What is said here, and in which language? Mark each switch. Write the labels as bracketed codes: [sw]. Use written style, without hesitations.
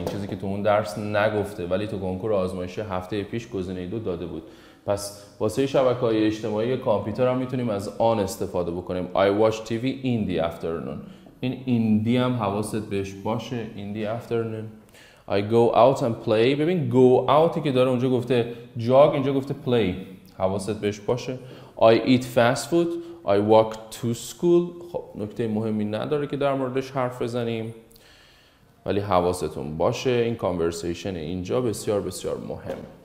[fa] این چیزی که تو اون درس نگفته ولی تو کنکور آزمایش هفته پیش گزینه 2 داده بود. پس واسه شبکه‌های اجتماعی کامپیوتر هم میتونیم از آن استفاده بکنیم. [en] I watch TV in the afternoon. [fa] این [en] in the [fa] هم حواست بهش باشه. [en] In the afternoon I go out and play. [fa] ببین go outی که داره اونجا گفته jog، اینجا گفته play، حواست بهش باشه. [en] I eat fast food. I walk to school. [fa] خب نکته مهمی نداره که در موردش حرف بزنیم ولی حواستون باشه این کانورسیشن اینجا بسیار بسیار مهمه.